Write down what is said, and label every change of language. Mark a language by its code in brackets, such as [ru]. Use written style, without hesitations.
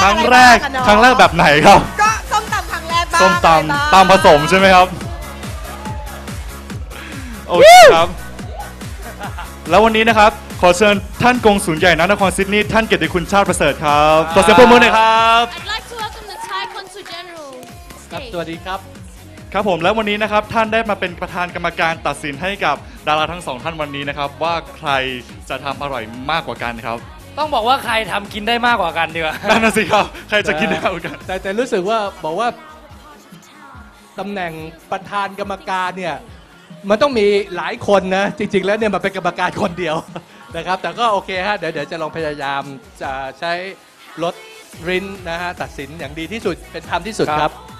[th] ครั้งแรกครั้งแรกแบบไหนครับ ก็ส้มตำครั้งแรกบ้าง ส้มตำตำผสมใช่ไหมครับโอเคครับแล้ววันนี้นะครับขอเชิญท่านกงสุลใหญ่ณนครซิดนีย์ท่านเกียรติคุณชาติประเสริฐครับขอเสียงปรบมือหน่อยครับ [en] I'd like to welcome the Thai Consul General [th] ครับสวัสดีครับ ครับผมแล้ววันนี้นะครับท่านได้มาเป็นประธานกรรมการตัดสินให้กับดาราทั้งสองท่านวันนี้นะครับว่าใครจะทำอร่อยมากกว่ากันครับ ต้องบอกว่าใครทำกินได้มากกว่ากันดีกว่านั่นสิครับใครจะกินได้มากกว่ากัน แต่รู้สึกว่าบอกว่าตำแหน่งประธานกรรมการเนี่ยมันต้องมีหลายคนนะจริงๆแล้วเนี่ยมันเป็นกรรมการคนเดียวนะครับแต่ก็โอเคฮะเดี๋ยวจะลองพยายามจะใช้ลดรินนะฮะตัดสินอย่างดีที่สุดเป็นธรรมที่สุดครับ